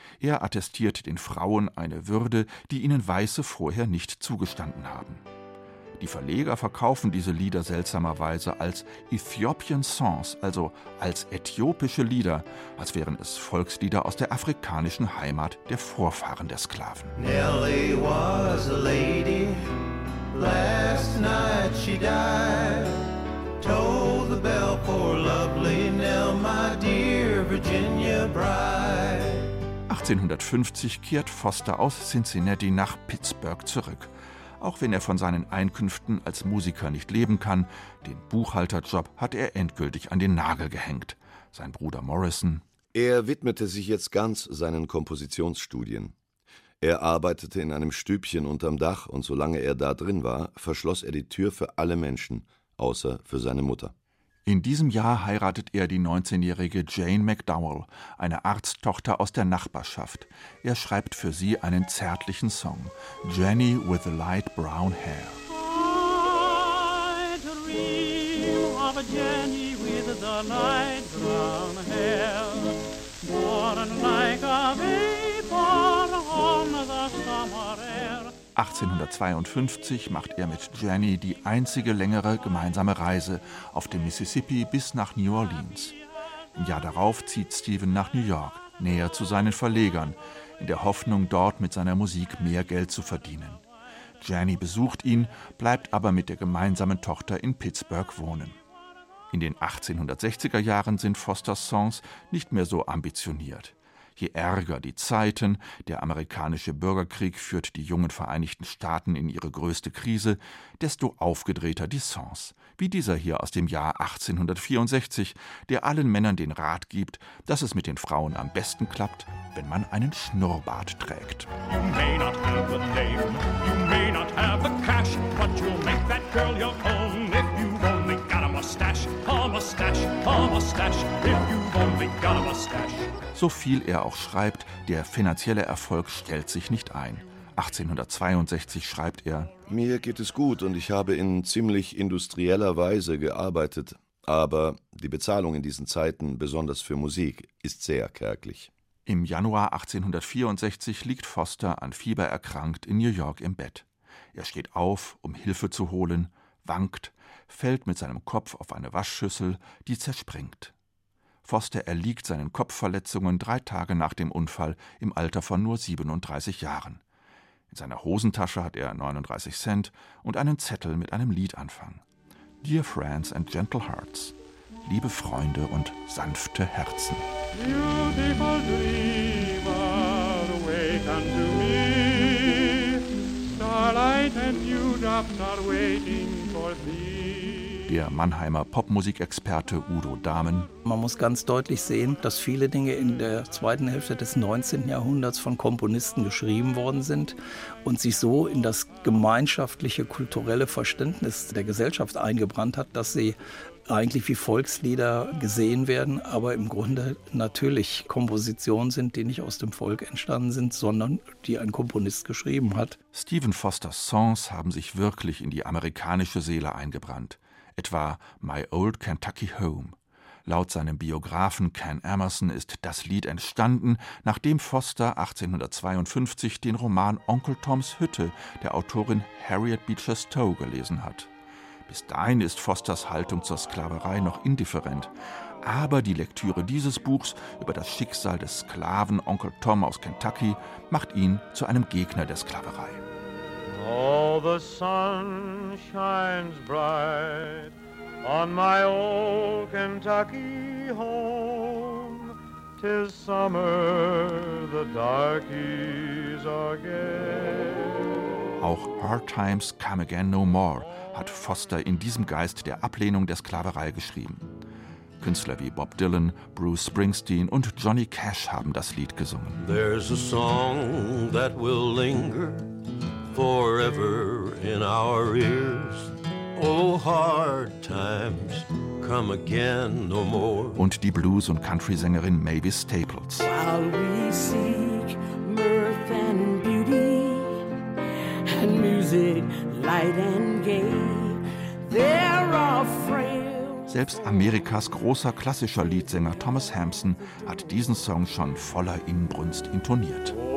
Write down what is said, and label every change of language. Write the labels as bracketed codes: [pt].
[de] Er attestiert den Frauen eine Würde, die ihnen Weiße vorher nicht zugestanden haben. Die Verleger verkaufen diese Lieder seltsamerweise als »Ethiopian Songs«, also als äthiopische Lieder, als wären es Volkslieder aus der afrikanischen Heimat der Vorfahren der Sklaven. [en] »Nelly was a lady, last night she died«, told the bell, poor lovely Nell, my dear Virginia bride. [de] 1850 kehrt Foster aus Cincinnati nach Pittsburgh zurück. Auch wenn er von seinen Einkünften als Musiker nicht leben kann, den Buchhalterjob hat er endgültig an den Nagel gehängt. Sein Bruder Morrison: Er widmete sich jetzt ganz seinen Kompositionsstudien. Er arbeitete in einem Stübchen unterm Dach und solange er da drin war, verschloss er die Tür für alle Menschen, außer für seine Mutter. In diesem Jahr heiratet er die 19-jährige Jane McDowell, eine Arzttochter aus der Nachbarschaft. Er schreibt für sie einen zärtlichen Song, Jenny with the Light Brown Hair. [en] I dream of a Jenny with the light brown hair, born like a vapor on the summer air. [de] 1852 macht er mit Jenny die einzige längere gemeinsame Reise auf dem Mississippi bis nach New Orleans. Im Jahr darauf zieht Stephen nach New York, näher zu seinen Verlegern, in der Hoffnung, dort mit seiner Musik mehr Geld zu verdienen. Jenny besucht ihn, bleibt aber mit der gemeinsamen Tochter in Pittsburgh wohnen. In den 1860er Jahren sind Fosters Songs nicht mehr so ambitioniert. Je ärger die Zeiten, der amerikanische Bürgerkrieg führt die jungen Vereinigten Staaten in ihre größte Krise, desto aufgedrehter die Songs. Wie dieser hier aus dem Jahr 1864, der allen Männern den Rat gibt, dass es mit den Frauen am besten klappt, wenn man einen Schnurrbart trägt. [en] You may not have the fame, you may not have the cash, but you'll make that girl your own if you've only got a mustache, a mustache, a mustache, if you've only got a mustache. [de] So viel er auch schreibt, der finanzielle Erfolg stellt sich nicht ein. 1862 schreibt er: Mir geht es gut und ich habe in ziemlich industrieller Weise gearbeitet. Aber die Bezahlung in diesen Zeiten, besonders für Musik, ist sehr kärglich. Im Januar 1864 liegt Foster an Fieber erkrankt in New York im Bett. Er steht auf, um Hilfe zu holen, wankt, fällt mit seinem Kopf auf eine Waschschüssel, die zerspringt. Foster erliegt seinen Kopfverletzungen 3 Tage nach dem Unfall im Alter von nur 37 Jahren. In seiner Hosentasche hat er 39 Cent und einen Zettel mit einem Liedanfang. [en] Dear Friends and Gentle Hearts, [de] liebe Freunde und sanfte Herzen. [en] Beautiful dreamer, wake unto me. Starlight and new drops are waiting for thee. [de] Der Mannheimer Popmusikexperte Udo Dahmen. Man muss ganz deutlich sehen, dass viele Dinge in der zweiten Hälfte des 19. Jahrhunderts von Komponisten geschrieben worden sind und sich so in das gemeinschaftliche kulturelle Verständnis der Gesellschaft eingebrannt hat, dass sie eigentlich wie Volkslieder gesehen werden, aber im Grunde natürlich Kompositionen sind, die nicht aus dem Volk entstanden sind, sondern die ein Komponist geschrieben hat. Stephen Fosters Songs haben sich wirklich in die amerikanische Seele eingebrannt. Etwa »My Old Kentucky Home«. Laut seinem Biografen Ken Emerson ist das Lied entstanden, nachdem Foster 1852 den Roman »Onkel Toms Hütte« der Autorin Harriet Beecher Stowe gelesen hat. Bis dahin ist Fosters Haltung zur Sklaverei noch indifferent. Aber die Lektüre dieses Buchs über das Schicksal des Sklaven Onkel Tom aus Kentucky macht ihn zu einem Gegner der Sklaverei. [en] Oh, the sun shines bright on my old Kentucky home. 'Tis summer, the darkies are gay. [de] Auch Hard Times Come Again No More hat Foster in diesem Geist der Ablehnung der Sklaverei geschrieben. Künstler wie Bob Dylan, Bruce Springsteen und Johnny Cash haben das Lied gesungen. [en] There's a song that will linger forever in our ears. Oh, hard times come again no more. [de] Und die Blues- und Country-Sängerin Mavis Staples. [en] While we seek mirth and beauty and music light and gay, there are frail. [de] Selbst Amerikas großer klassischer Liedsänger Thomas Hampson hat diesen Song schon voller Inbrunst intoniert.